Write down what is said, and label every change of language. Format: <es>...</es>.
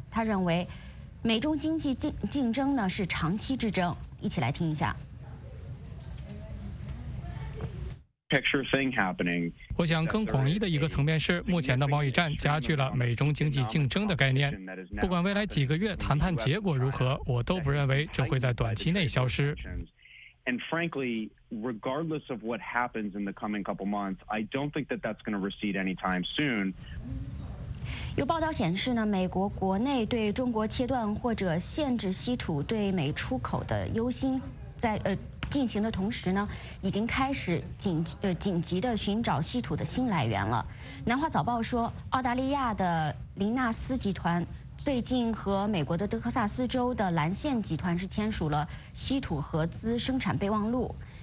<zh>他认为美中经济竞争呢是长期之争，一起来听一下。我想更广义的一个层面是，目前的贸易战加剧了美中经济竞争的概念。不管未来几个月谈判结果如何，我都不认为这会在短期内消失。</zh> <en>And frankly, regardless of what happens in the coming couple months, I don't think that that's going to recede anytime soon.</en> <zh>有报道显示呢，美国国内对中国切断或者限制稀土对美出口的忧心在进行的同时呢，已经开始紧急的寻找稀土的新来源了。南华早报说，澳大利亚的林纳斯集团最近和美国的德克萨斯州的蓝线集团是签署了稀土合资生产备忘录。</zh>